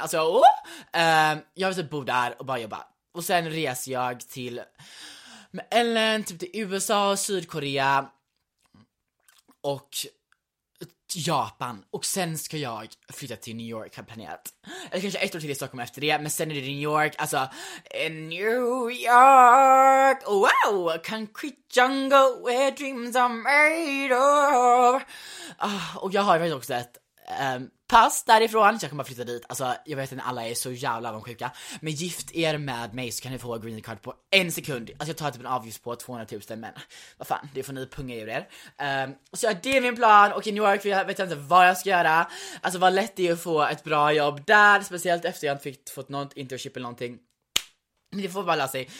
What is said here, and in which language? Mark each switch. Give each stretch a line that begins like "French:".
Swedish: Alltså jag vill typ bo där och bara jobba. Och sen reser jag till med Ellen typ till USA, Sydkorea och Japan. Och sen ska jag flytta till New York, har planerat. Eller kanske ett år till i Stockholm efter det. Men sen är det New York. Alltså New York. Wow.
English: Concrete jungle where dreams are made of.
Swedish: Och jag har ju också ett pass därifrån, så jag kan bara flytta dit. Alltså jag vet att alla är så jävla avundsjuka. Men gift er med mig så kan ni få green card på en sekund. Alltså jag tar typ en avgift på 200 000. Men vad fan, det får ni punga i er. Så ja, det är min plan. Och i New York vet jag inte vad jag ska göra. Alltså vad lätt det är att få ett bra jobb där, speciellt efter jag inte fått något internship eller någonting. Ni får bara läsa.